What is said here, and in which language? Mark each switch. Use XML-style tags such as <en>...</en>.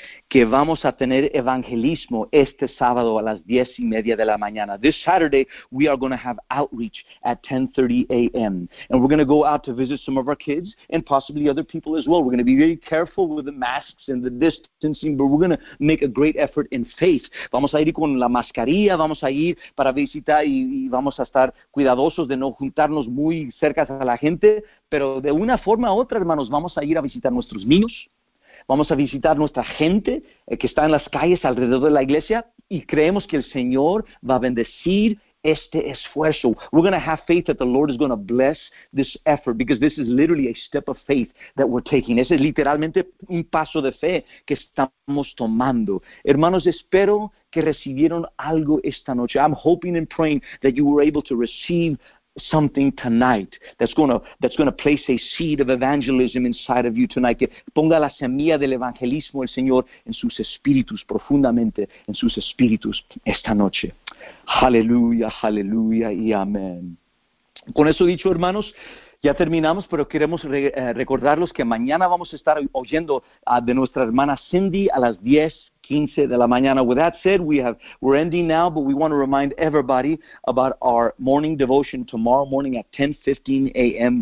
<es>Que vamos a tener evangelismo este sábado a las 10:30 de la mañana.</es> <en>This Saturday, we are going to have outreach at 10:30 a.m. And we're going to go out to visit some of our kids and possibly other people as well. We're going to be very careful with the masks and the distancing, but we're going to make a great effort in faith.</en> <es>Vamos a ir con la mascarilla, vamos a ir para visitar y vamos a estar cuidadosos de no juntarnos muy cerca a la gente. Pero de una forma u otra, hermanos, vamos a ir a visitar nuestros niños. Vamos a visitar nuestra gente que está en las calles alrededor de la iglesia y creemos que el Señor va a bendecir este esfuerzo.</es> <en>We're going to have faith that the Lord is going to bless this effort because this is literally a step of faith that we're taking.</en> <es>Ese es literalmente un paso de fe que estamos tomando. Hermanos, espero que recibieron algo esta noche.</es> <en>I'm hoping and praying that you were able to receive something tonight that's going to place a seed of evangelism inside of you tonight.</en> <es>Que ponga la semilla del evangelismo el Señor en sus espíritus profundamente, en sus espíritus esta noche. Aleluya, aleluya y amén. Con eso dicho, hermanos, ya terminamos, pero queremos recordarles que mañana vamos a estar oyendo de nuestra hermana Cindy a las 10:15 de la mañana.</es> <en>With that said, we're ending now, but we want to remind everybody about our morning devotion tomorrow morning at 10:15 a.m.</en>